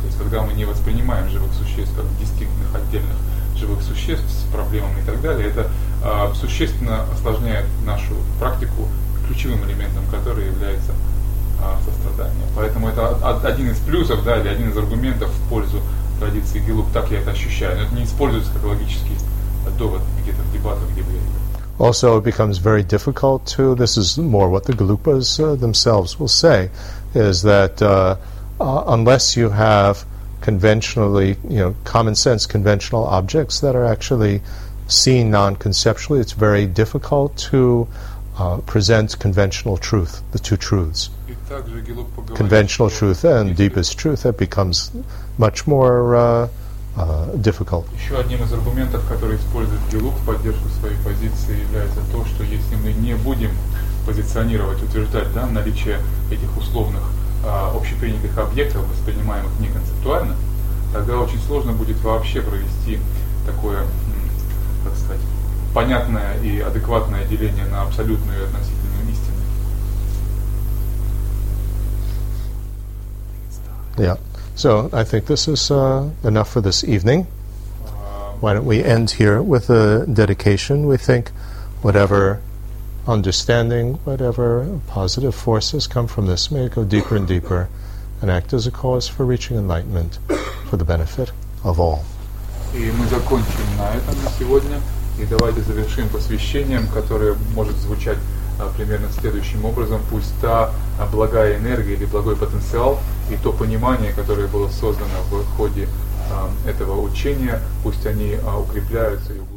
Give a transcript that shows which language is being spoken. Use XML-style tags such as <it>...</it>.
<ru>То есть, когда мы не воспринимаем живых существ как дистинктных, отдельных живых существ с проблемами и так далее, это существенно осложняет нашу практику, ключевым элементом которой является сострадание. Поэтому это один из плюсов, да, или один из аргументов в пользу традиции гелуг, так я это ощущаю. Но это не используется как логический довод где-то в дебатах, где бы я это.</ru> <en>Also, it becomes very difficult to, this is more what the Galupas themselves will say, is that unless you have conventionally, you know, common sense conventional objects that are actually seen non-conceptually, it's very difficult to present conventional truth, the two truths. Conventional truth and deepest truth, that becomes much more difficult.</en> <ru>Еще одним из аргументов, который использует Гелуг в поддержку своей позиции, является то, что если мы не будем позиционировать, утверждать, да, наличие этих условных общепринятых объектов, воспринимаемых не концептуально, тогда очень сложно будет вообще провести такое, так сказать, понятное и адекватное деление на абсолютную и относительную истину.</ru> <en>Yeah. So I think this is enough for this evening. Why don't we end here with a dedication? We think whatever understanding, whatever positive forces come from this, may it go deeper and deeper and act as a cause for reaching enlightenment for the benefit of all.</en> <ru>И мы закончим на этом на сегодня. И давайте завершим посвящением, которое может звучать примерно следующим образом. Пусть та благая энергия или благой потенциал и то понимание, которое было создано в ходе этого учения, пусть они укрепляются и углубляются.</ru>